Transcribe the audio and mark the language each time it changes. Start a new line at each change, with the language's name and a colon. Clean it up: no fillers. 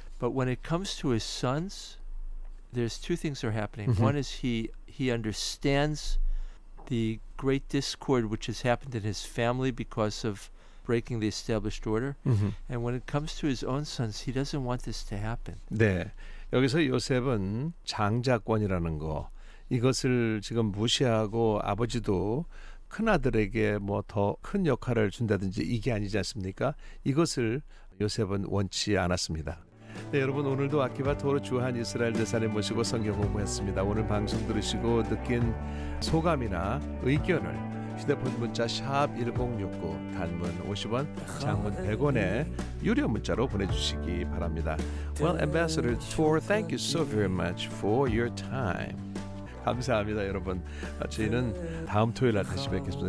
English: But when it comes to his sons, there's two things are happening. One is he understands the great discord which has happened in his family because of breaking the established order. And when it comes to his own sons, he doesn't want this to happen.
Korean: 네. 여기서 요셉은 장자권이라는 거 이것을 지금 무시하고 아버지도 큰 아들에게 뭐 더 큰 역할을 준다든지 이게 아니지 않습니까? 이것을 요셉은 원치 않았습니다. 네, 여러분 오늘도 아키바 토르 주한 이스라엘 대사님 모시고 성경 공부했습니다. 오늘 방송 들으시고 느낀 소감이나 의견을 휴대폰 문자 샵 1069 단문 50원 장문 100원에 유료 문자로 보내주시기 바랍니다.
English: Well, Ambassador Tor, thank you so very much for your time.
Korean: 감사합니다, 여러분. 저희는 다음 토요일 날 다시 뵙겠습니다.